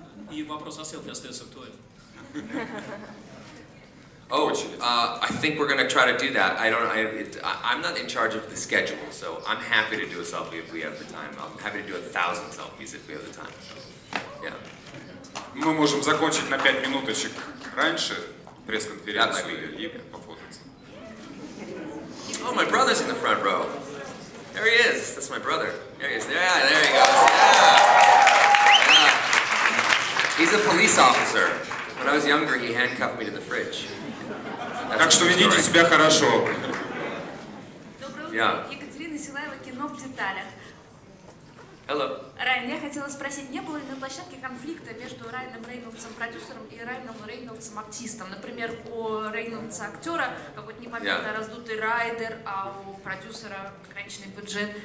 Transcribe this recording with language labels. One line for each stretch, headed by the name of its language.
Russian: И вопрос о селфи остается актуальным.
English: Oh, I think we're gonna try to do that. I'm not in charge of the schedule, so I'm happy to do a selfie if we have the time. I'm happy to do 1,000 selfies if we have the time. Yeah.
Russian: Мы можем закончить на 5 минуточек раньше пресс-конференцию и пофотаться.
English: Oh, my brother's in the front row. There he is. That's my brother. There he is. Yeah, there he goes. Yeah. He's a police officer. When I was younger, he handcuffed me to the fridge.
Russian: Так что ведите себя хорошо. Доброе утро. Екатерина Силаева, кино в деталях.
English: Hello.
Russian: Райан, я хотела спросить, не было ли на площадке конфликта между Райаном Рейнольдсом продюсером и Райаном Рейнольдсом артистом? Например, у Рейнольдса актера какой-то непомерно раздутый райдер, а у продюсера ограниченный бюджет.